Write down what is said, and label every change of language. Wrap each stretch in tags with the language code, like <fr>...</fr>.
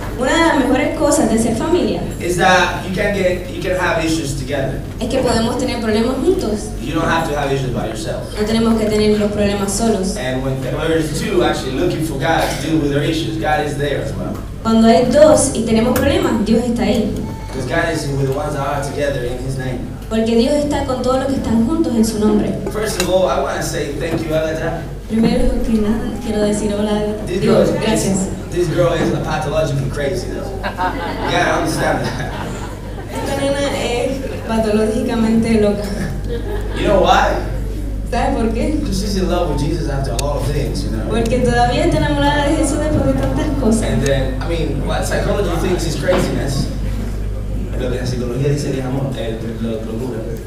<es>Una de las mejores cosas de ser familia.</es> <en>Is that you can have issues together.</en> <es>Es que podemos tener problemas juntos.</es> <en>You don't have to have issues by yourself.</en> <es>No tenemos que tener los problemas solos.</es> <en>And when there are two actually looking for God to deal with their issues, God is there as well.</en> <es>Cuando hay dos y tenemos problemas, Dios está ahí.</es> <en>Because God is with the ones that are together in His name.</en> <es>Porque Dios está con todos los que están juntos en su nombre.</es> <en>First of all, I want to say thank you, Agatha.</en> <es>Primero que nada, quiero decir hola. Dios, gracias.</es> <en>This girl is pathologically crazy, though. You gotta understand that.</en> <es>Esta nena es patológicamente loca.</es> <en>You know why?</en> <es>¿Sabes por qué?</es> <en>Because she's in love with Jesus after all of things, you know?</en> <es>Porque todavía está enamorada de Jesús después de tantas cosas.</es> <en>And then, I mean, what psychology thinks is craziness.</en> <es>Lo que la psicología dice que es amor, lo locura.</es>